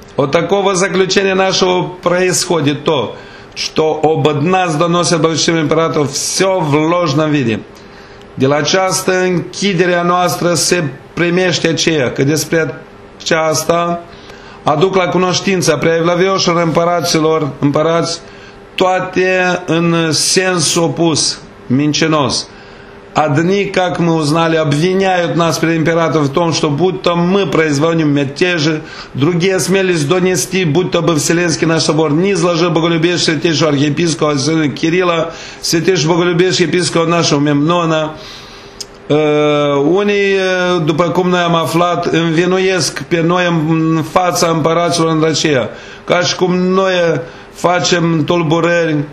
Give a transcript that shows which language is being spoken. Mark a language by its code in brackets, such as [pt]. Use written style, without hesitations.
[ru] O такого заключения нашего происходит то, что об нас доносят большим императору все в ложном виде. [ro] De la această închidere a noastră se primește aceea, că despre aceasta aduc la cunoștință prea evlavioșilor împăraților, împărați, toate în sens opus, mincinos. [ru] Одни, как мы узнали, обвиняют нас перед императором в том, что будто мы производим мятежи. Другие смелись донести, будто бы Вселенский наш собор не изложил боголюбивший святейшего архиепископа Кирилла, святейшего боголюбивший епископа нашего Мемнона. [ro] Unii, după cum noi am aflat, învinuiesc pe noi în fața împăraților în Răcia, ca și cum noi facem tulburări.